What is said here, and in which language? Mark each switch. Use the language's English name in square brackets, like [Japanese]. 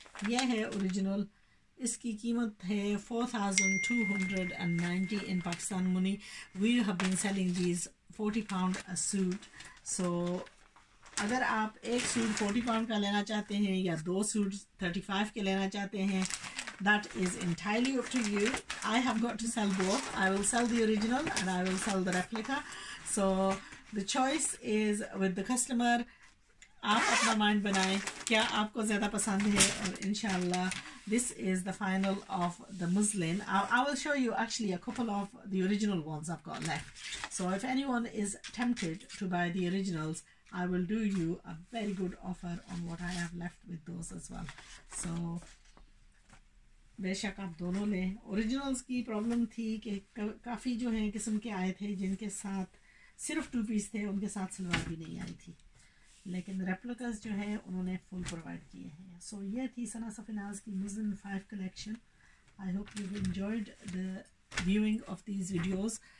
[Hindi] यह है ओरिजिनल, इसकी कीमत है 4290 [English] In Pakistan money. We have been selling these £40 a suit. So, [Hindi] अगर आप एक सूट £40 का लेना चाहते हैं या दो सूट 35 के लेना चाहते हैं, [English] that is entirely up to you. I have got to sell both. I will sell the original and I will sell the replica. So, the choice is with the customer. [Hindi] आप अपना mind बनाए क्या आपको ज़्यादा पसंद है. और इंशाल्लाह [English] this is the final of the muslin. I will show you actually a couple of the original ones I've got left. So if anyone is tempted to buy the originals, I will do you a very good offer on what I have left with those as well. [Hindi] So बेशक आप दोनों लें. Originals की problem थी कि काफ़ी जो हैं किस्म के आए थे जिनके साथ सिर्फ टू पीस थे, उनके साथ सलवार भी नहीं आई थी, लेकिन रेप्लिकास जो है उन्होंने फुल प्रोवाइड किए हैं. सो ये थी सना सफिनाज की मुज़लिन 5 collection. [English] I hope you enjoyed the viewing of these videos.